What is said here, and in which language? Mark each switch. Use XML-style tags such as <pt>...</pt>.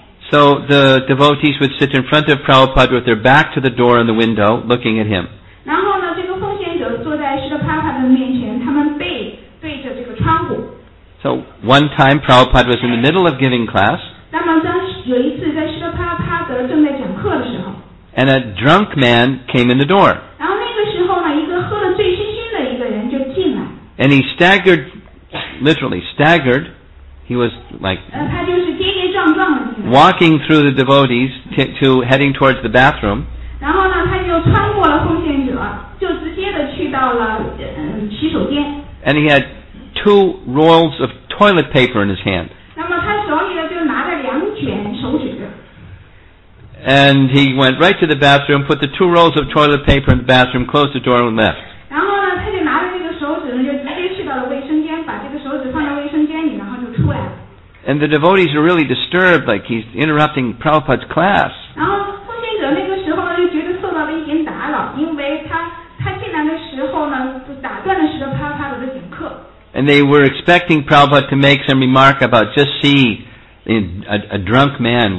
<en>So the devotees would sit in front of Prabhupada with their back to the door and the window, looking at him.</en> <zh>然后呢，这个奉献者坐在Srila Prabhupada的面前，他们背对着这个窗户。</zh> <en>So one time, Prabhupada was in the middle of giving class.</en> <zh>那么当有一次在Srila Prabhupada正在讲课的时候。</zh> <en>And a drunk man came in the door.</en> <zh>然后那个时候呢，一个喝了醉醺醺的一个人就进来。</zh> <en>And he staggered, literally staggered. He was like.</en> <zh>他就是跌跌撞撞的。</zh> <en>Walking through the devotees, to heading towards the bathroom.</en> <zh>然后呢，他就穿过了奉献者，就直接的去到了洗手间。</zh> <en>And he had two rolls of toilet paper in his hand.</en> <zh>那么他手里呢就拿着两卷手纸。</zh> <en>And he went right to the bathroom, put the two rolls of toilet paper in the bathroom, closed the door and left.</en> <zh>然后呢，他就拿着这个手纸呢，就直接去到了卫生间，把这个手纸放到卫生间里，然后就出来了。</zh> <en>And the devotees are really disturbed, like he's interrupting Prabhupada's class.</en> <zh>然后奉献者那个时候呢，就觉得受到了一点打扰，因为他进来的时候呢，就打断了Prabhupada的讲课。</zh> <en>And they were expecting Prabhupada to make some remark about just see a drunk man.</en>